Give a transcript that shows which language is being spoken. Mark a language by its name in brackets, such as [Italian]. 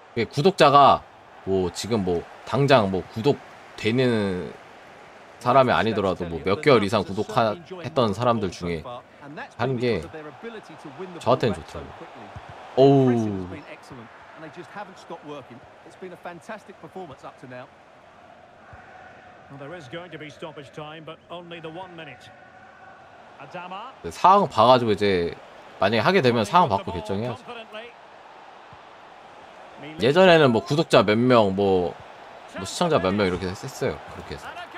[Korean] 구독자가 뭐 지금 뭐 당장 뭐 구독되는 사람이 아니더라도 뭐 몇 개월 이상 구독했던 사람들 중에 하는 게 저한테는 좋더라고요. 오우 [English] and they just haven't stopped working. It's been a fantastic performance up to now. Well, there is going to be stoppage time, but only the 1 minute. Adama. [Korean] 상황 봐가지고 이제 만약에 하게 되면 상황 받고 결정해야지. 예전에는 뭐 구독자 몇 명, 뭐 시청자 몇 명 이렇게 했어요. 그렇게 해서.